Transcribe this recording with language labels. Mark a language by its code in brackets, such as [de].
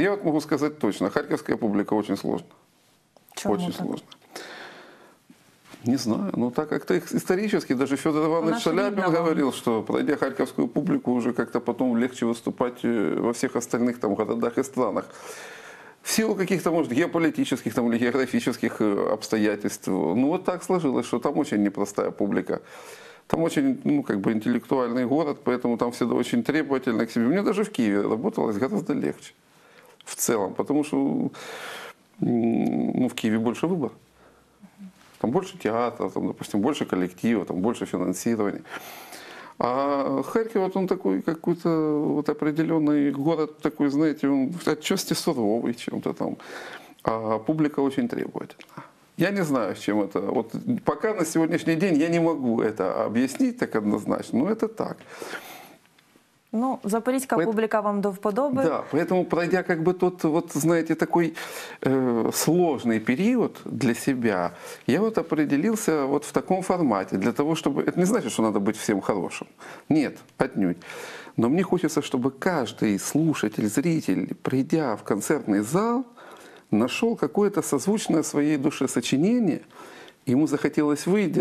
[uk] Я от можу сказати точно, харківська публіка дуже сложна. Чому дуже сложна? [ru] Не знаю, ну так как-то исторически, даже Федор Иванович Шаляпин говорил, что пройдя харьковскую публику, уже как-то потом легче выступать во всех остальных там городах и странах. В силу каких-то, может, геополитических там, или географических обстоятельств. Ну вот так сложилось, что там очень непростая публика. Там очень, ну как бы, интеллектуальный город, поэтому там всегда очень требовательно к себе. Мне даже в Киеве работалось гораздо легче в целом, потому что в Киеве больше выбора. Там больше театра, там, допустим, больше коллектива, там больше финансирования. А Харьков, вот он такой какой-то вот определенный город, такой, знаете, он отчасти суровый чем-то там. А публика очень требовательна. Я не знаю, с чем это. Вот пока на сегодняшний день я не могу это объяснить так однозначно, но это так. [uk] Ну, запорізька публіка вам до вподоби. [ru] Да, поэтому пройдя как бы тот, вот, знаете, такой сложный период для себя, я вот определился вот в таком формате, для того, чтобы... Это не значит, что надо быть всем хорошим. Нет, отнюдь. Но мне хочется, чтобы каждый слушатель, зритель, придя в концертный зал, нашел какое-то созвучное своей душе сочинение, ему захотелось выйти.